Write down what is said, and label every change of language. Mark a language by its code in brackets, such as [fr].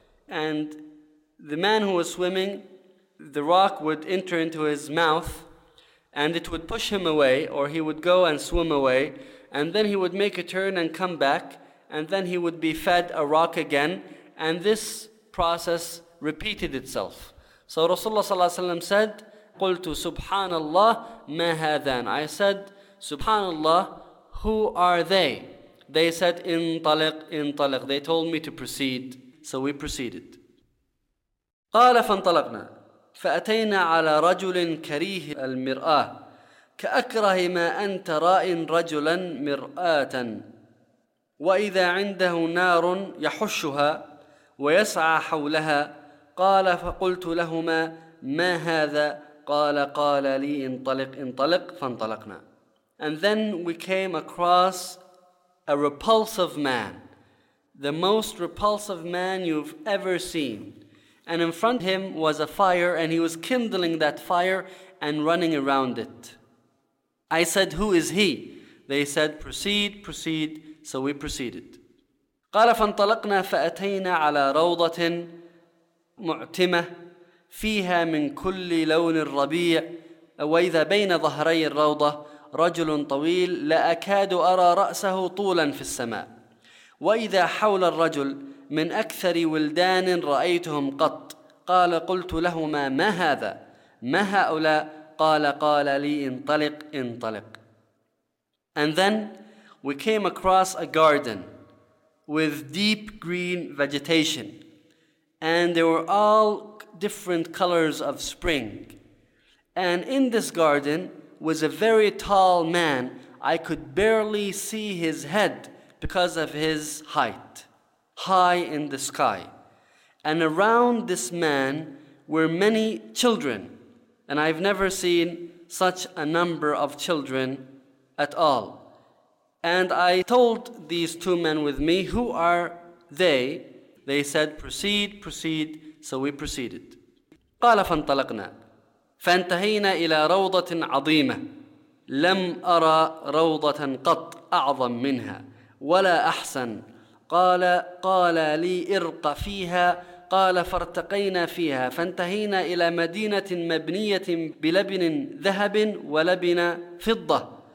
[en] And the man who was swimming, the rock would enter into his mouth and it would push him away or he would go and swim away and then he would make a turn and come back and then he would be fed a rock again and this process repeated itself. So Rasulullah ﷺ said, [ar] قُلْتُ سُبْحَانَ اللَّهِ مَا هَذَان [en] I said, SubhanAllah, who are they? They said, [ar] انطلق انطلق [en] They told me to proceed. So we proceeded. [ar] قَالَ فَانْطَلَقْنَا فأتينا على رجل كريه المرآة كأكره ما أنت رائن رجلا مرآة وإذا عنده نار يحشها ويسعى حولها قال فقلت لهما ما هذا قال لي انطلق انطلق فانطلقنا [en] And then we came across a repulsive man, the most repulsive man you've ever seen. And in front of him was a fire, and he was kindling that fire and running around it. I said, who is he? They said, proceed, proceed. So we proceeded. [ar] قَالَ فَانْطَلَقْنَا فَأَتَيْنَا عَلَى رَوْضَةٍ مُعْتِمَةٍ فِيهَا مِنْ كُلِّ لَوْنِ الرَّبِيعِ وَإِذَا بَيْنَ ظَهْرَيِ الرَّوْضَةِ رَجُلٌ طَوِيلٌ لَأَكَادُ أَرَى رَأْسَهُ طُولًا فِي السَّمَاءِ وَإِذَا حَوْلَ الرَّجُلِ من أكثر ولدان رأيتهم قط قال قلت لهما ما هذا ما هؤلاء قال لي انطلق انطلق [en] And then we came across a garden with deep green vegetation and there were all different colors of spring and in this garden was a very tall man I could barely see his head because of his height high in the sky. And around this man were many children. And I've never seen such a number of children at all. And I told these two men with me, who are they? They said, proceed, proceed. So we proceeded. [ar] قال فانطلقنا فانتهينا إلى روضة عظيمة لم أرى روضة قط أعظم منها ولا أحسن. قال لي ارق فيها. قال فارتقينا فيها فانتهينا إلى مدينة مبنية بلبن ذهب ولبن فضة.